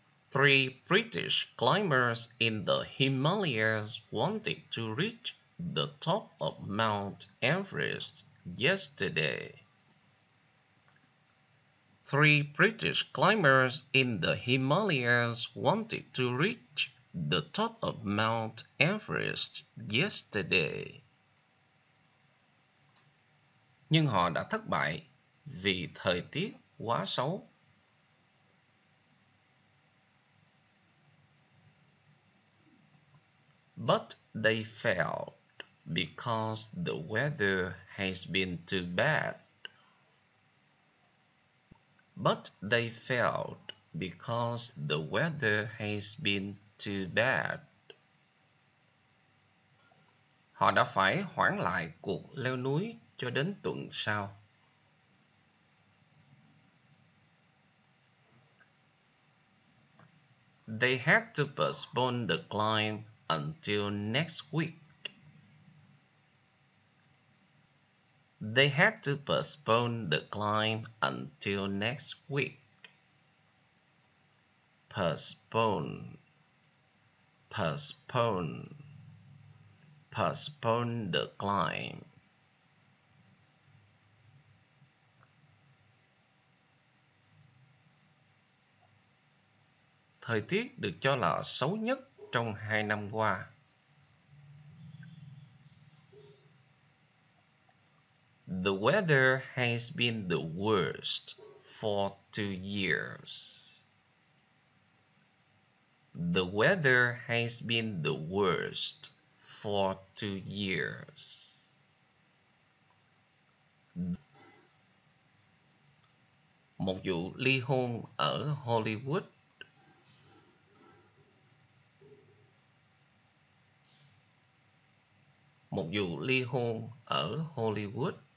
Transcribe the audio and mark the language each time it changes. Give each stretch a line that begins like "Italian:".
English: Three British climbers in the Himalayas wanted to reach the top of Mount Everest yesterday. Three British climbers in the Himalayas wanted to reach the top of Mount Everest yesterday.
Vietnamese: Nhưng họ đã thất bại vì thời tiết quá xấu.
English: But they failed because the weather has been too bad. But they failed because the weather has been too bad.
Vietnamese: Họ đã phải hoãn lại cuộc leo núi cho đến tuần sau.
English: They had to postpone the climb until next week. They had to postpone the climb until next week. Postpone. Postpone. Postpone the climb.
Vietnamese: Thời tiết được cho là xấu nhất trong hai năm qua.
English: The weather has been the worst for 2 years. The weather has been the worst for 2 years.
Vietnamese: Một vụ ly hôn ở Hollywood. Một vụ ly hôn ở Hollywood.